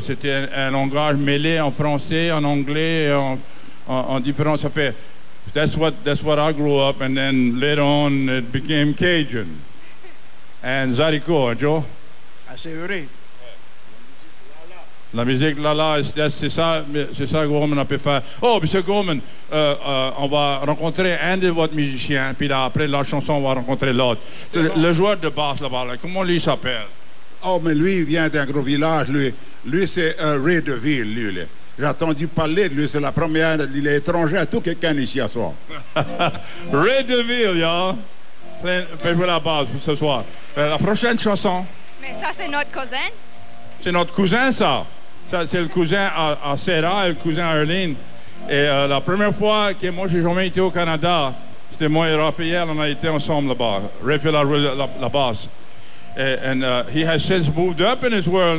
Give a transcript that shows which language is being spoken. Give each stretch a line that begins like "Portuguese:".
French: C'était un langage mêlé en français, en anglais, en différents affaires.
English: That's what I grew up, and then later on it became Cajun. And Zarico, Joe? I say, oui.
French: La musique Lala, c'est ça que Gorman a pu faire. Oh, M. Gorman, on va rencontrer un de votre musicien, puis là, après la chanson, on va rencontrer l'autre. Le joueur de basse là-bas, là, comment lui s'appelle? Oh, mais lui, il vient d'un gros village, lui. Lui, c'est un ré de ville, lui. Là. J'ai entendu parler de lui, c'est la première, il est étranger à tout quelqu'un ici à soir. Ré de ville, y'a. Fais jouer la basse ce soir. La prochaine chanson. Mais ça, c'est notre cousin? C'est notre cousin, ça. Ça, c'est le cousin à Sarah, le cousin à Erline. Et la première fois que moi, j'ai jamais été au Canada, c'était moi et Raphaël, on a été ensemble là-bas. Raphaël a joué la basse.
English: And he has since moved up in his world.